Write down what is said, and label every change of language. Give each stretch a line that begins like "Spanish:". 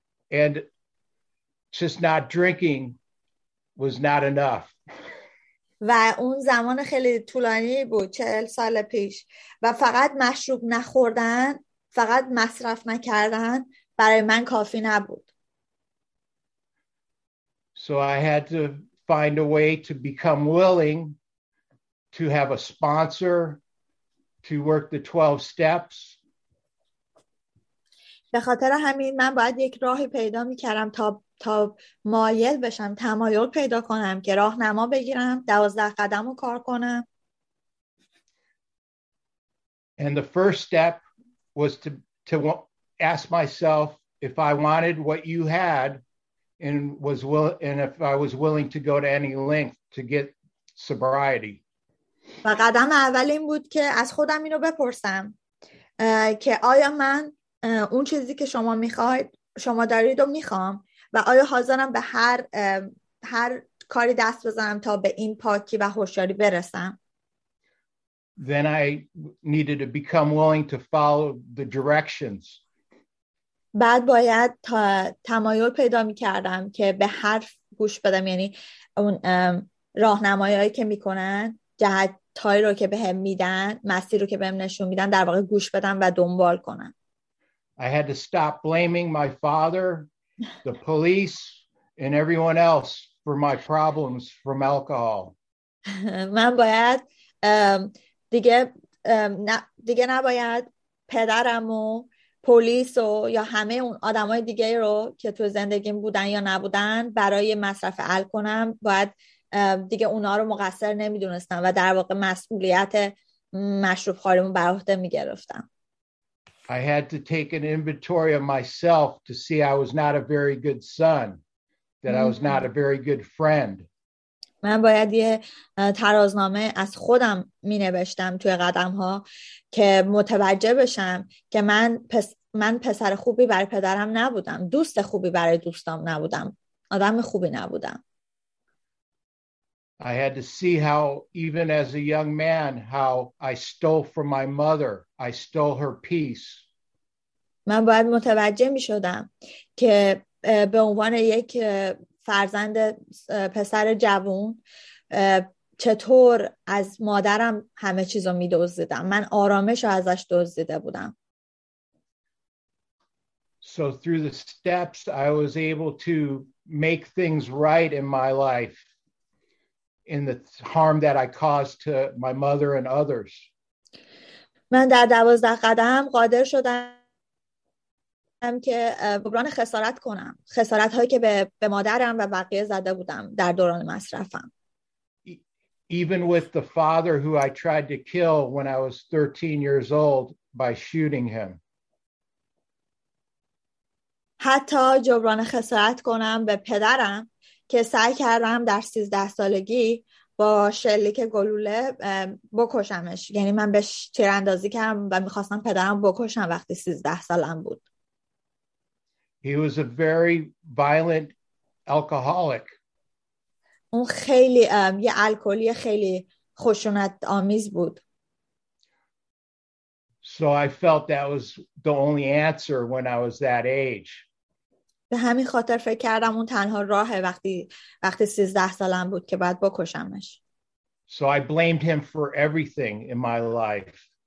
English: And just not drinking was not enough.
Persian: و اون زمان خیلی طولانی بود، 40 سال پیش، و فقط مشروب نخوردن، فقط مصرف نکردن برای من کافی نبود.
English: So I had to find a way to become willing to have a sponsor to work the 12 steps.
Persian: به خاطر همین من باید یک راهی پیدا می‌کردم تا مایل بشم، تمایل پیدا کنم که راهنما بگیرم، 12 قدم رو کار کنم.
English: And the first step was to ask myself if I wanted what you had and if I was willing to go to any length to get sobriety.
Persian: و قدم اول این بود که از خودم اینو بپرسم که آیا من اون چیزی که شما میخواید شما دارید و میخوام و آیا حاضرم به هر کاری دست بزنم تا به این پاکی و هوشیاری برسم.
English: Then I needed to become willing to follow the directions.
Persian: بعد باید تمایل پیدا میکردم که به حرف گوش بدم، یعنی اون راهنمایی که میکنن، جهت‌هایی رو که بهم میدن، مسیر رو که بهم نشون میدن، در واقع گوش بدم و دنبال کنم.
English: I had to stop blaming my father, the police, and everyone else for my problems from alcohol.
Persian: من باید دیگه نباید پدرم و پلیس و یا همه اون آدمای دیگه رو که تو زندگیم بودن یا نبودن برای مصرف الکلم، باید دیگه اونا رو مقصر نمیدونستم و در واقع مسئولیت مشروب خوریمو بر عهده میگرفتم.
English: I had to take an inventory of myself to see I was not a very good son, that I was not a very good friend.
Persian: من باید یه ترازنامه از خودم می نوشتم توی قدم ها که متوجه بشم که من پسر خوبی برای پدرم نبودم، دوست خوبی برای دوستام نبودم، آدم خوبی نبودم.
English: I had to see how, even as a young man, how I stole from my mother. I stole her peace.
Persian: من باید متوجه می شدم که به عنوان یک فرزند پسر جوان چطور از مادرم همه چیزو می دزدیدم. من آرامشو ازش دزدیده بودم.
English: So through the steps, I was able to make things right in my life. In the harm that I caused to my mother and others.
Persian: من در 12 قدم قادر شدم که جبران خسارت کنم، خسارت هایی که به مادرم و بقیه زده بودم در دوران مصرفم.
English: Even with the father who I tried to kill when I was 13 years old by shooting him.
Persian: حتی جبران خسارت کنم به پدرم که سعی کردم در 13 سالگی با شلیک گلوله بکشمش، یعنی من بهش تیراندازی کردم و میخواستم پدرم بکشم وقتی 13 سالم بود.
English: He was a very violent alcoholic.
Persian: اون خیلی یه الکلی خیلی خشونت آمیز بود.
English: So I felt that was the only answer when I was that age.
Persian: به همین خاطر فکر کردم اون تنها راهه وقتی 13 سالم بود که باید بکشمش.
English: So I blamed him for everything in my life.